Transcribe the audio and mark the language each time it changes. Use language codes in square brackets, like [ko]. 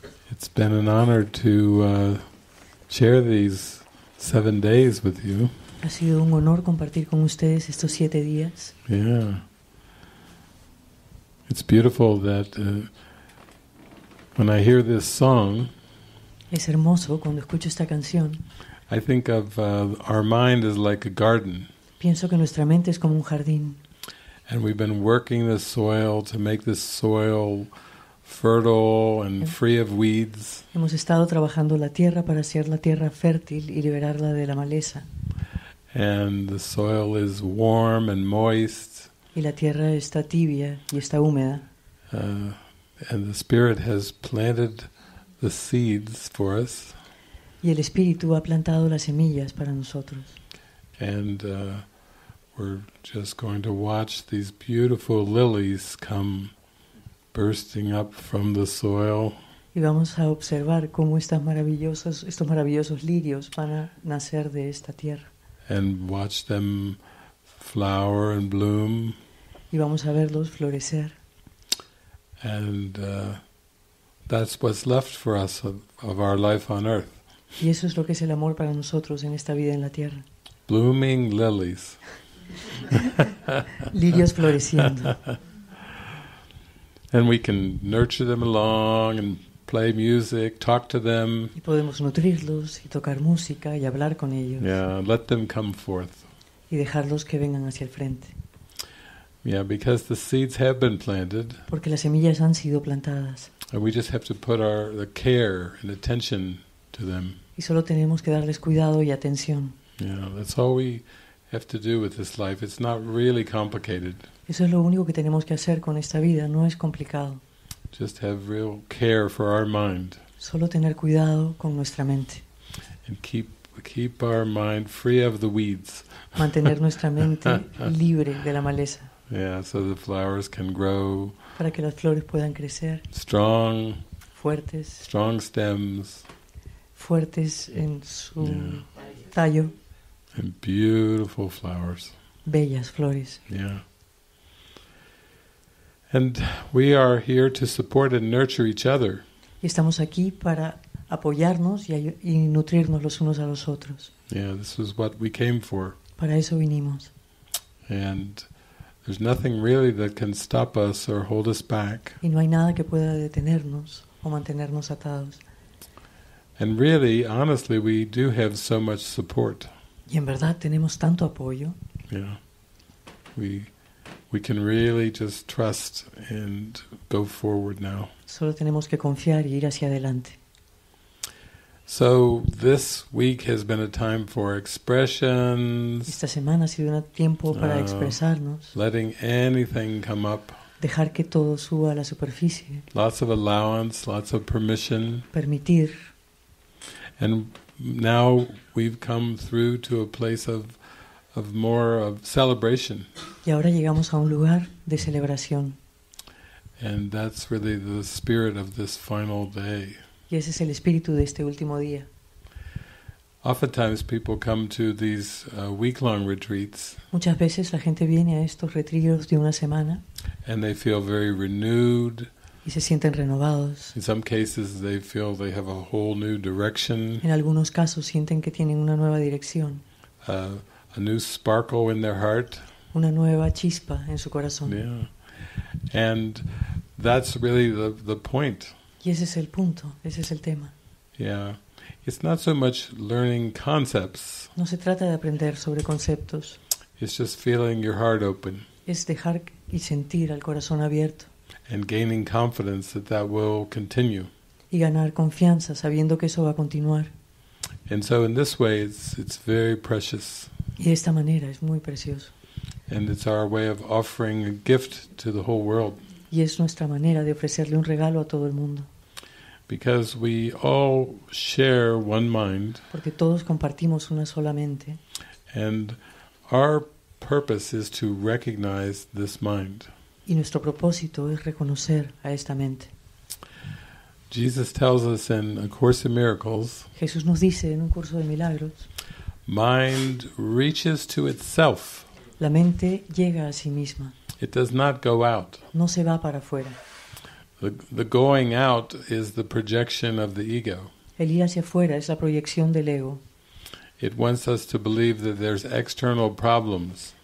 [en] It's been an honor to share these 7 days with you. [es] Ha sido un honor compartir con ustedes estos 7 días. [en] Yeah. It's beautiful that when I hear this song, [es] es hermoso cuando escucho esta canción, [en] I think of our mind is like a garden. [es] Pienso que nuestra mente es como un jardín. [en] And we've been working the soil to make this soil fertile and free of weeds. [es] Hemos estado trabajando la tierra para hacer la tierra fértil y liberarla de la maleza. [en] And the soil is warm and moist. [es] Y la tierra está tibia y está húmeda. [en] And the Spirit has planted the seeds for us. [es] Y el Espíritu ha plantado las semillas para nosotros. [en] And we're just going to watch these beautiful lilies come bursting up from the soil. [es] Y vamos a observar cómo estos maravillosos lirios van a nacer de esta tierra. [en] And watch them flower and bloom. [es] Y vamos a verlos florecer. [en] And that's what's left for us of our life on earth. [es] Y eso es lo que es el amor para nosotros en esta vida en la tierra. [en] Blooming lilies. [es] Lirios floreciendo. [en] And we can nurture them along and play music, talk to them. [es] Y podemos nutrirlos y tocar música y hablar con ellos. [en] Yeah, let them come forth. [es] Y dejarlos que vengan hacia el frente. [en] Yeah, because the seeds have been planted. [es] Porque las semillas han sido plantadas. [en] And we just have to put the care and attention to them. [es] Y solo tenemos que darles cuidado y atención. [en] Yeah, that's all we have to do with this life. It's not really complicated. [es] Eso es lo único que tenemos que hacer con esta vida, no es complicado. [en] Just have real care for our mind. [es] Solo tener cuidado con nuestra mente. [en] And keep our mind free of the weeds. [es] Mantener nuestra mente libre de la maleza. [en] Yeah, so the flowers can grow. [es] Para que las flores puedan crecer. [en] Strong. [es] Fuertes. [en] Strong stems. [es] Fuertes en su yeah. tallo. [en] And beautiful flowers. [es] Bellas flores. [en] Yeah. And we are here to support and nurture each other. [es] Y estamos aquí para apoyarnos y nutrirnos los unos a los otros. [en] Yeah, this is what we came for. [es] Para eso vinimos. [en] And there's nothing really that can stop us or hold us back. [es] Y no hay nada que pueda detenernos o mantenernos atados. [en] And really, honestly, we do have so much support. [es] Y en verdad tenemos tanto apoyo. [en] Yeah. We we can really just trust and go forward now. [es] Solo tenemos que confiar y ir hacia adelante. [en] So this week has been a time for expressions. [es] Esta semana ha sido un tiempo para expresarnos. [en] Letting anything come up. [es] Dejar que todo suba a la superficie. [en] Lots of allowance, lots of permission. [es] Permitir. [en] And now we've come through to a place of more of celebration. [es] Y ahora llegamos a un lugar de celebración. [en] And that's really the spirit of this final day. [es] Y ese es el espíritu de este último día. [en] Oftentimes people come to these week-long retreats. [es] Muchas veces la gente viene a estos retiros de una semana. [en] And they feel very renewed. [es] Y se sienten renovados. [en] In some cases they feel they have a whole new direction. [es] En algunos casos sienten que tienen una nueva dirección. [en] A new sparkle in their heart. [es] Una nueva chispa en su corazón. [en] Yeah. And that's really the point. [es] Y ese es el punto, ese es el tema. [en] Yeah. It's not so much learning concepts. [es] No se trata de aprender sobre conceptos. [en] It's just feeling your heart open. [es] Es dejar y sentir al corazón abierto. [en] And gaining confidence that that will continue. [es] Y ganar confianza sabiendo que eso va a continuar. [en] And so in this way it's very precious. [es] Y de esta manera es muy precioso. [en] And it's our way of offering a gift to the whole world. [es] Y es nuestra manera de ofrecerle un regalo a todo el mundo. [en] Because we all share one mind. [es] Porque todos compartimos una sola mente. [en] And our purpose is to recognize this mind. [es] Y nuestro propósito es reconocer a esta mente. [en] Jesus tells us in A Course in Miracles. [es] Jesús nos dice en un curso de milagros. [en] Mind reaches to itself. [es] La mente llega a sí misma. [en] It does not go out. [es] No se va para afuera. [en] The going out is the projection of the ego. [es] El ir hacia afuera es la proyección del ego. [en] It wants us to believe that there's external problems.